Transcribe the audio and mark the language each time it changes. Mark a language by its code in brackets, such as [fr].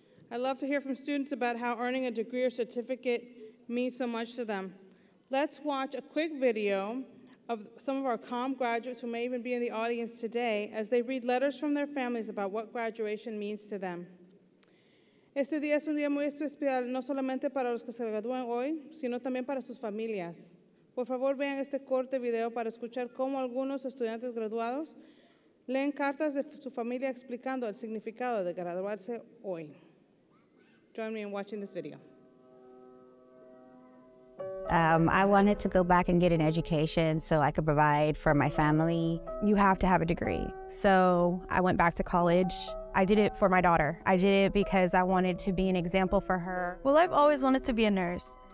[en] I love to hear from students about how earning a degree or certificate means so much to them. Let's watch a quick video of some of our Comm graduates who may even be in the audience today as they read letters from their families about what graduation means to them. [es] Este día es un día muy especial, no solamente para los que se gradúan hoy, sino también para sus familias. Por favor, vean este corte video para escuchar cómo algunos estudiantes graduados leen cartas de su familia explicando el significado de graduarse hoy. [en] Join me in watching this video. I wanted to go back and get an education so I could provide for my family. You have to have a degree. So I went back to college. I did it for my daughter. I did it because I wanted to be an example for her. Well, I've always wanted to be a nurse.